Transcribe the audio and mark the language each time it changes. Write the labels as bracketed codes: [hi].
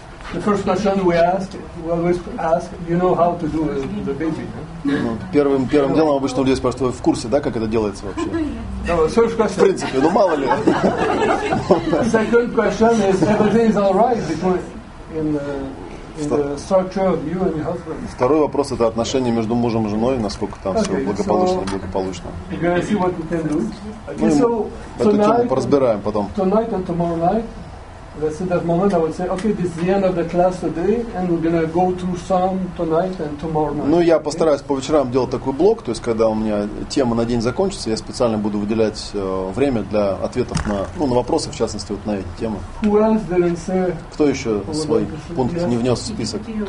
[en] The first question we always ask, you know how to do the baby? [ru] Ну, первым делом обычно людей спрашивают, вы в курсе, да, как это делается вообще? [en] No, [ru] в принципе, ну мало ли. [en] Second question is, everything is all right in the structure of you and your husband. [ru] Второй вопрос это отношения между мужем и женой, насколько там все благополучно, благополучно. [en] You're gonna see what we can do. Okay, so [ru] эту тему tonight, поразбираем потом. [en] Tonight and tomorrow night. Let's see that moment. I would say, okay, this is the end of the class today, and we're gonna go through some tonight and tomorrow night. [ru] Ну, я постараюсь по вечерам делать такой блок, то есть, когда у меня тема на день закончится, я специально буду выделять время для ответов на вопросы, в частности, вот на эти темы. [en] Who else didn't say? [ru] Кто еще свой пункт не внес в список?